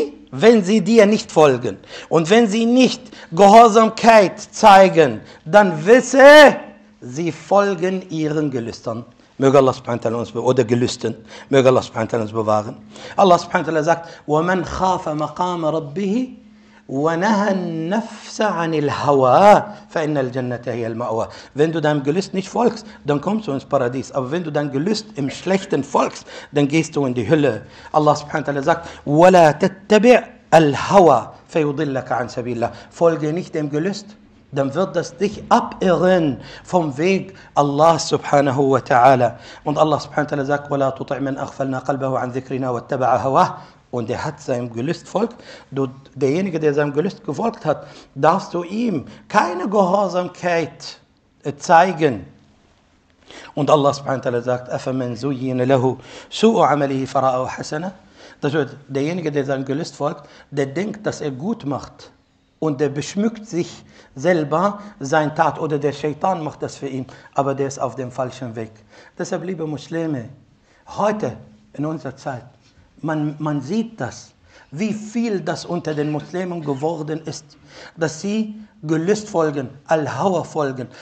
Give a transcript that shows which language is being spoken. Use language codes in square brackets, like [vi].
[de] Wenn sie dir nicht folgen und wenn sie nicht Gehorsamkeit zeigen, dann wisse, sie folgen ihren Gelüstern. Möge Allah subhanahu wa ta'ala uns bewahren. Oder Gelüsten. Möge Allah subhanahu wa ta'ala uns bewahren. [ar] Allah subhanahu wa ta'ala sagt, وَمَنْ خَافَ مَقَامَ رَبِّهِ وَنَهَا النَّفْسَ عَنِ الْهَوَى فَإِنَّ الْجَنَّةَ هِيَ الْمَأْوَى. [de] Wenn du deinem Gelüst nicht folgst, dann kommst du ins Paradies. Aber wenn du dein Gelüst im Schlechten folgst, dann gehst du in die Hölle. [ar] Allah subhanahu wa ta'ala sagt, وَلَا تَتَّبِعَ الْهَوَى فَيُضِلَّكَ عَنْ سَبِيلِ اللَّهِ. [de] Folge nicht dem Gelüst, dann wird das dich abirren vom Weg Allah subhanahu wa ta'ala. [ar] Und Allah subhanahu wa ta'ala sagt, وَلَا تُطِعْ مَنْ أَغْفَلْنَا قَلْبَهُ عَنْ ذِكْرِنَا وَاتَّبَعَ هَوَاهُ. [de] Und er hat seinem Gelüst folgt. Du, derjenige, der seinem Gelüst gefolgt hat, darfst du ihm keine Gehorsamkeit zeigen. [ar] Und Allah subhanahu wa ta'ala sagt, أَفَمَنْ زُيِّنَ لَهُ سُوءُ عَمَلِهِ فَرَأَهُ حَسَنًا. [de] Das heißt, derjenige, der seinem Gelüst folgt, der denkt, dass er gut macht. Und der beschmückt sich selber sein Tat. Oder der Shaitan macht das für ihn. Aber der ist auf dem falschen Weg. Deshalb, liebe Muslime, heute in unserer Zeit, Man sieht das, wie viel das unter den Muslimen geworden ist, dass sie Gelüst folgen, Al-Hawa folgen.